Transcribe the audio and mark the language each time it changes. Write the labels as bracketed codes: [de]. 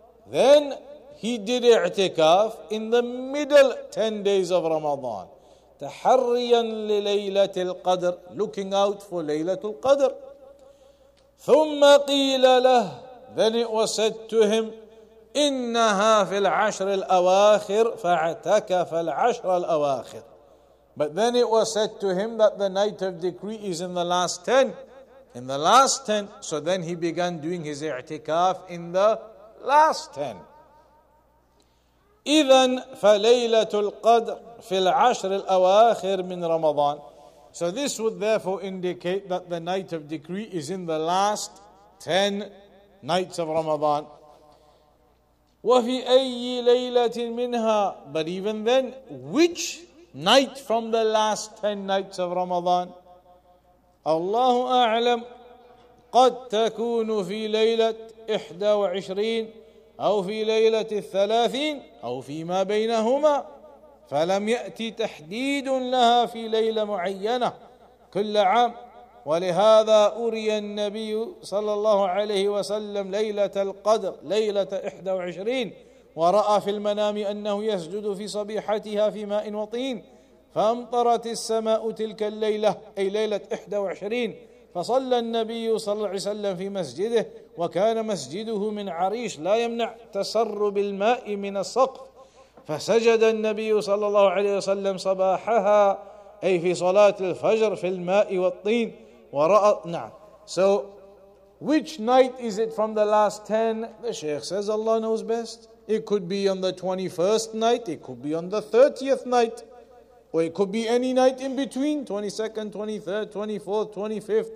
[en] Then he did i'tikaf in the middle 10 days of Ramadan. [ar] تحريا لليلة القدر. [en] Looking out for [ar] ليلة القدر. ثم قيل له. [en] Then it was said to him, [ar] إنها في العشر الأواخر فاعتكف العشر الأواخر. [en] But then it was said to him that the night of decree is in the last 10. In the last 10. So then he began doing his i'tikaf in the last 10. [ar] إذن فليلة القدر في العشر الأواخر من رمضان. [en] So this would therefore indicate that the night of decree is in the last 10 nights of Ramadan. [ar] وَفِي أَيِّ لَيْلَةٍ مِنْهَا. [en] But even then, which night from the last 10 nights of Ramadan? [ar] اللَّهُ أَعْلَمْ قَدْ تَكُونُ فِي لَيْلَةِ 21 أو في ليلة 30 أو فيما بينهما فلم يأتي تحديد لها في ليلة معينة كل عام. ولهذا أري النبي صلى الله عليه وسلم ليلة القدر ليلة 21 ورأى في المنام أنه يسجد في صبيحتها في ماء وطين فأمطرت السماء تلك الليلة أي ليلة 21 فصلى النبي صلى الله عليه وسلم في مسجده وكان مسجده من عريش لا يمنع تسرب الماء من السقف فسجد النبي صلى الله عليه وسلم صباحها أي في صلاة الفجر في الماء والطين. [en] So, which night is it from the last 10? The Shaykh says Allah knows best. It could be on the 21st night, it could be on the 30th night, or it could be any night in between, 22nd, 23rd, 24th, 25th.